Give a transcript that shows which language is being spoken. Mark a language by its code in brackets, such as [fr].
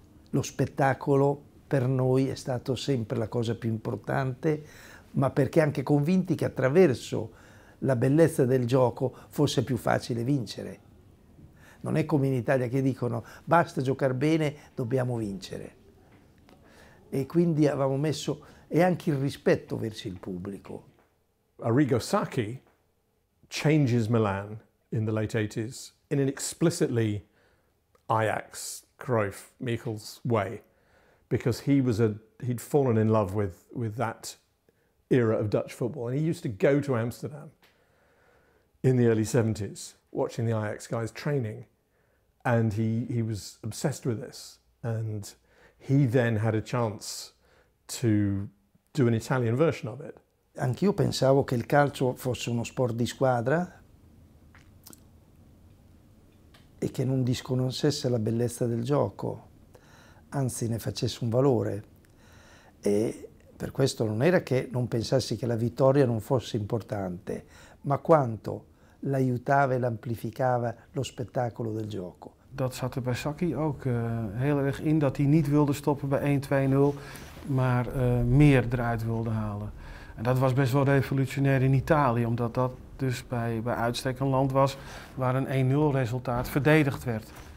[it] Lo spettacolo per noi è stato sempre la cosa più importante, ma perché anche convinti che attraverso la bellezza del gioco fosse più facile vincere. Non è come in Italia che dicono basta giocare bene, dobbiamo vincere. E quindi avevamo messo e anche il rispetto verso il pubblico. [en] Arrigo Sacchi changes Milan in the late 80s in an explicitly Ajax Cruyff, Michels way, because he'd fallen in love with that era of Dutch football, and he used to go to Amsterdam in the early 70s watching the Ajax guys training, and he was obsessed with this, and he then had a chance to do an Italian version of it. [it] Anch'io pensavo che il calcio fosse uno sport di squadra e che non disconoscesse la bellezza del gioco, anzi ne facesse un valore. E per questo non era che non pensassi che la vittoria non fosse importante, ma quanto l'aiutava e l'amplificava lo spettacolo del gioco. [nl] Dat zat er bij Sacchi ook heel erg in, dat hij niet wilde stoppen bij 1-2-0, maar meer eruit wilde halen. En dat was best wel revolutionair in Italië, omdat dat dus bij uitstek een land was waar een 1-0 resultaat verdedigd werd.